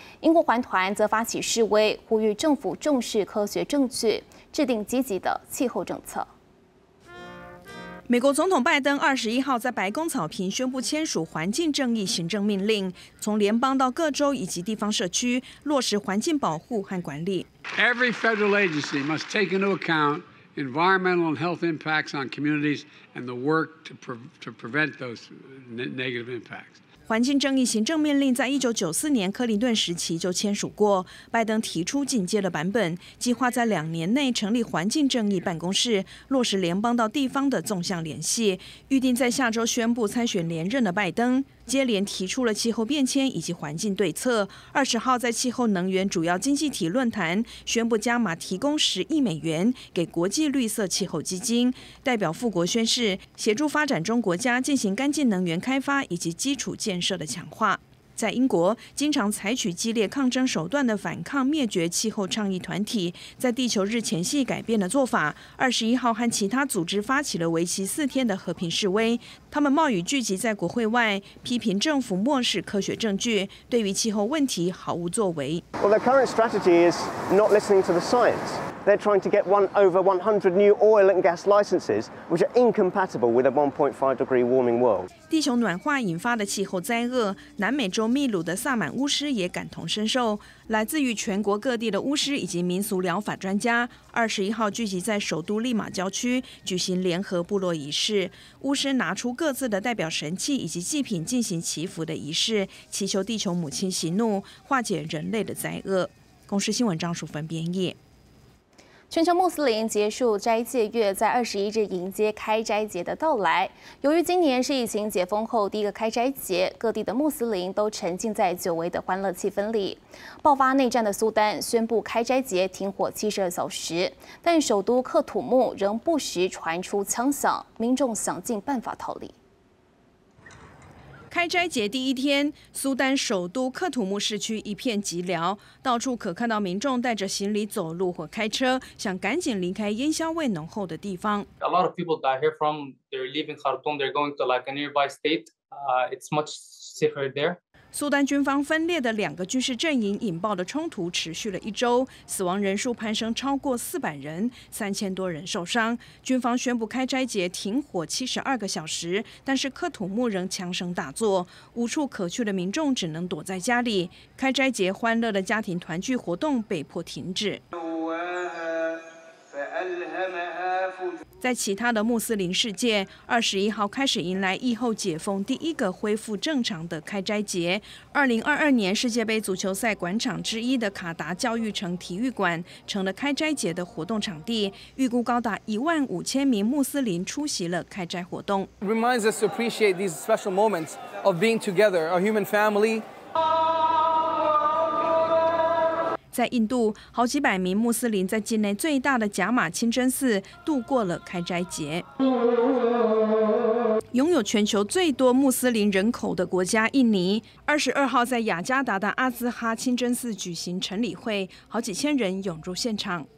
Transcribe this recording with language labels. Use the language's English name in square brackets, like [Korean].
[Chinese] 英国环团则发起示威，呼吁政府重视科学证据，制定积极的气候政策。美国总统拜登21号在白宫草坪宣布签署环境正义行政命令，从联邦到各州以及地方社区落实环境保护和管理。 [English] Every federal agency must take into account environmental and health impacts on communities and the work to prevent those negative impacts. [Chinese] 环境正义行政命令在1994年克林顿时期就签署过，拜登提出进阶的版本，计划在2年内成立环境正义办公室，落实联邦到地方的纵向联系。预定在下周宣布参选连任的拜登，接连提出了气候变迁以及环境对策。 20号在气候能源主要经济体论坛宣布加码提供10亿美元给国际绿色气候基金，代表富国宣誓协助发展中国家进行干净能源开发以及基础建设的强化。在英国，经常采取激烈抗争手段的反抗灭绝气候倡议团体在地球日前夕改变了做法，21号和其他组织发起了为期4天的和平示威。他们冒雨聚集在国会外，批评政府漠视科学证据，对于气候问题毫无作为。 [English] Well, their current strategy is not listening to the science. They're trying to get over 100 new oil and gas licenses, which are incompatible with a 1.5 degree warming world. [Chinese] 地球暖化引发的气候灾厄，南美洲秘鲁的萨满巫师也感同身受。来自于全国各地的巫师以及民俗疗法专家，21号聚集在首都利马郊区举行联合部落仪式。巫师拿出各自的代表神器以及祭品进行祈福的仪式，祈求地球母亲息怒，化解人类的灾厄。公视新闻张淑芬编译。全球穆斯林结束斋戒月，在21日迎接开斋节的到来。由于今年是疫情解封后第一个开斋节，各地的穆斯林都沉浸在久违的欢乐气氛里。爆发内战的苏丹宣布开斋节停火72小时，但首都克土木仍不时传出枪响，民众想尽办法逃离。开斋节第一天，苏丹首都克土木市区一片寂寥，到处可看到民众带着行李走路或开车，想赶紧离开烟硝味浓厚的地方。 [English] A lot of people that here from they're leaving Khartoum, they're going to like a nearby state. It's much safer there. [Chinese] 苏丹军方分裂的两个军事阵营引爆的冲突持续了一周，死亡人数攀升超过400人，3000多人受伤。军方宣布开斋节停火72个小时，但是克土木仍枪声大作，无处可去的民众只能躲在家里。开斋节欢乐的家庭团聚活动被迫停止。在其他的穆斯林世界，21号开始迎来疫后解封第一个恢复正常的开斋节。 2022年世界杯足球赛馆场之一的卡达教育城体育馆成了开斋节的活动场地，预估高达15000名穆斯林出席了开斋活动。 [English] Reminds us to appreciate these special moments of being together, a human family. [Chinese] 在印度，好几百名穆斯林在境内最大的贾马清真寺度过了开斋节。拥有全球最多穆斯林人口的国家印尼，22号在雅加达的阿兹哈清真寺举行晨礼会，好几千人涌入现场。